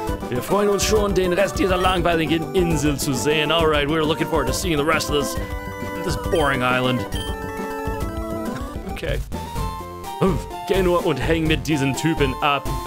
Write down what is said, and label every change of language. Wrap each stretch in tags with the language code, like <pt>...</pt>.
<de>Wir freuen uns schon, den Rest dieser langweiligen Insel zu sehen.</de> <en>Alright, we're looking forward to seeing the rest of this boring island. Okay.</en> <de>Geh nur und häng mit diesen Typen ab.</de>